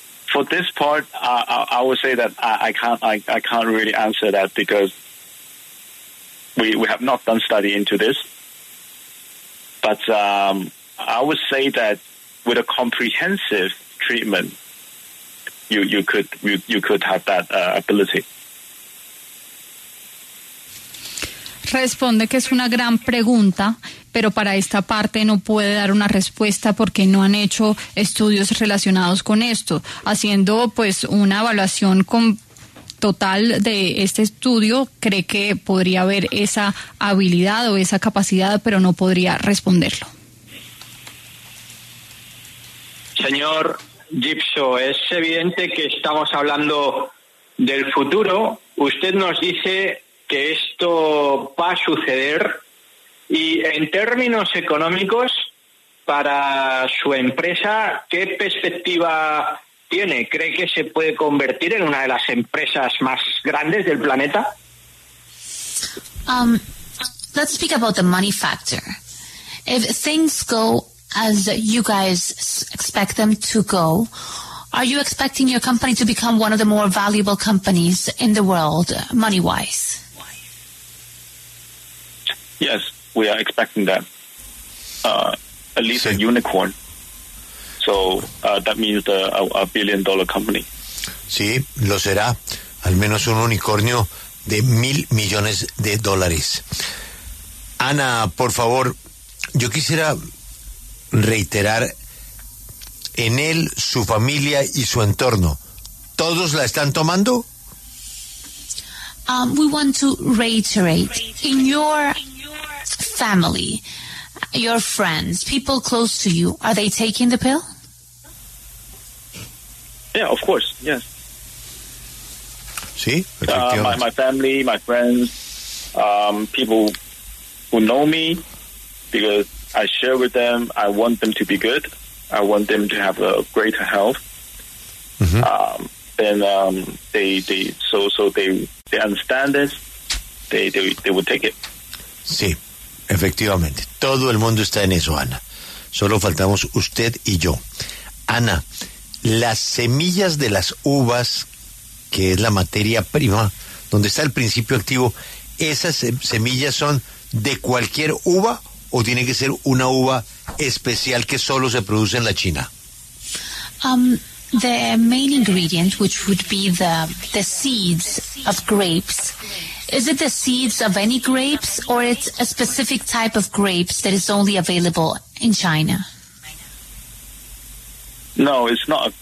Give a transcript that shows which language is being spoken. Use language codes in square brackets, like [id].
[en] For this part, I would say that I can't really answer that, because we have not done study into this. But I would say that with a comprehensive treatment, you could have that ability. [es] Responde que es una gran pregunta, pero para esta parte no puede dar una respuesta porque no han hecho estudios relacionados con esto. Haciendo, pues, una evaluación total de este estudio, cree que podría haber esa habilidad o esa capacidad, pero no podría responderlo. Señor Gipso, es evidente que estamos hablando del futuro. Usted nos dice que esto va a suceder, y en términos económicos, para su empresa, ¿qué perspectiva tiene? ¿Cree que se puede convertir en una de las empresas más grandes del planeta? [en] Let's speak about the money factor. If things go as you guys expect them to go, are you expecting your company to become one of the more valuable companies in the world, money-wise? Yes, we are expecting that. At least a unicorn. So that means a billion-dollar company. [es] Sí, lo será. Al menos un unicornio de $1,000 millones. Ana, por favor, yo quisiera reiterar, en él, su familia y su entorno, ¿todos la están tomando? [en] We want to reiterate, in your family, your friends, people close to you, are they taking the pill? Yeah, of course, yes. [es] Sí, [en] my family, my friends, people who know me, because I share with them, I want them to be good, I want them to have a greater health. Then they understand this, they will take it. [es] Sí. Efectivamente, todo el mundo está en eso, Ana. Solo faltamos usted y yo. Ana, las semillas de las uvas, que es la materia prima, donde está el principio activo, ¿esas semillas son de cualquier uva o tiene que ser una uva especial que solo se produce en la China? [en] The main ingredient, which would be the seeds of grapes, is it the seeds of any grapes, or it's a specific type of grapes that is only available in China? No, it's not.